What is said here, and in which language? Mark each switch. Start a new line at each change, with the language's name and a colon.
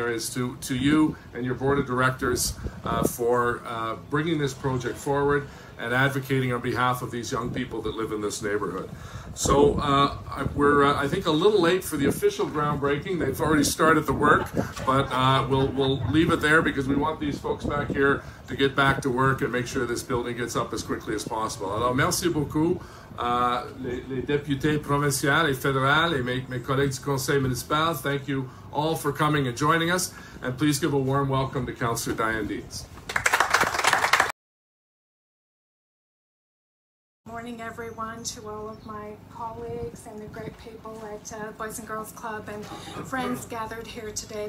English: There he is, to you and your board of directors for bringing this project forward and advocating on behalf of these young people that live in this neighborhood. So we're I think, a little late for the official groundbreaking. They've already started the work, but we'll leave it there because we want these folks back here to get back to work and make sure this building gets up as quickly as possible.
French: Alors, merci beaucoup, les députés provinciaux et fédéraux, et mes collègues du conseil municipal.
English: Thank you all for coming and joining us. And please give a warm welcome to Councillor Diane Deans. Good morning, everyone, to all of my colleagues and the great people at Boys and Girls Club and friends gathered here today.